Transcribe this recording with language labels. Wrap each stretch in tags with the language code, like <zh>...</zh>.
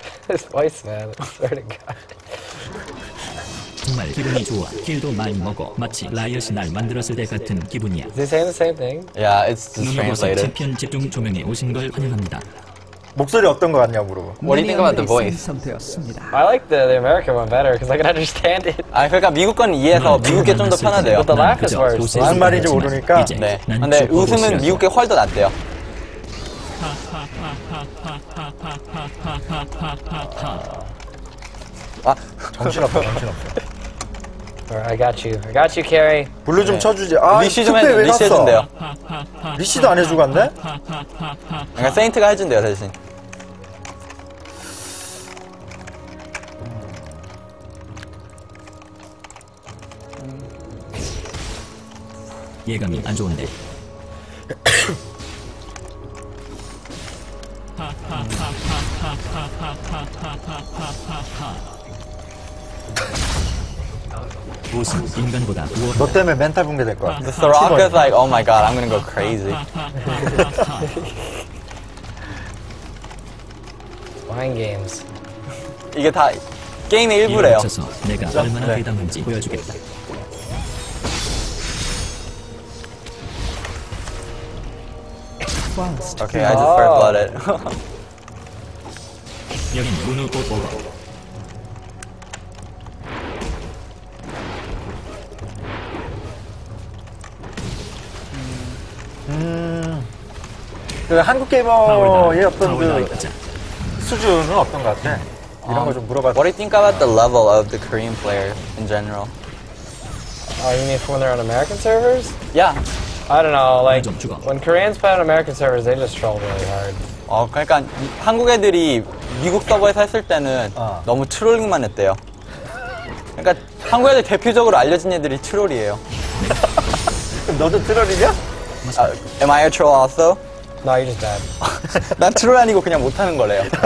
<en>His voice, man. I swear to God.</en> <ko>정말 기분이 좋아. 킬도 많이 먹어. 마치 라이엇이 날 만들었을 때 같은 기분이야.</ko> <en>Is he saying the same thing? Yeah, it's just translated.</en> <ko>눈으로서 챔피언 집중 조명에 오신 걸 환영합니다. 목소리 어떤 거 같냐고 물어봐.</ko> <en>What do you think about the voice?</en> <ko>선택되었습니다.</ko> <en>I like the American one better because I can understand it.</en> <ko>아, 그러니까 미국 건 이해해서 미국에 좀 더 편하대요.</ko> <en>But the laugh is worse.</en> <ko>무슨 말인지 모르니까. 네. 근데 웃음은 미국에 훨씬 더 낫대요. 아, 정신없어. 정신없어.</ko> <en>I got you. I got you, Carry.</en> <ko>블루 좀 쳐주지. 아, 리시 좀 해. 리시 해준대요. 리시도 안 해주고 갔네? 그러니까 세인트가 해준대요, 대신. 예감이 안 좋은데. 무슨 인간보다 우월. 너 때문에 멘탈 붕괴될 거야.</ko> <en>The Rock is like, oh my god, I'm gonna go crazy. 와인 게임스.</en> <ko>이게 다 게임의 일부래요. 미쳐서 내가 얼마나 대담한지 보여주겠다.</ko> <en>오케이, okay, I just first blooded.</en> <ko>여긴 누누 꽃 보고. 그 한국 게이머의 어떤 그 수준은 어떤 것 같아? 이런 걸 좀 물어봐.</ko> <en>What do you think about the level of the Korean player in general? Oh, you mean when they're on American servers? Yeah. I don't know, like, when Koreans play on American servers, they just troll really hard.</en> <ko>그러니까 한국 애들이 미국 서버에서 했을 때는 너무 트롤링만 했대요. 그러니까 한국 애들 대표적으로 알려진 애들이 트롤이에요. 너도 트롤이냐?</ko> <en>Am I a troll also? No, you're just bad.</en> <ko>난 트롤 아니고 그냥 못하는 거래요.</ko>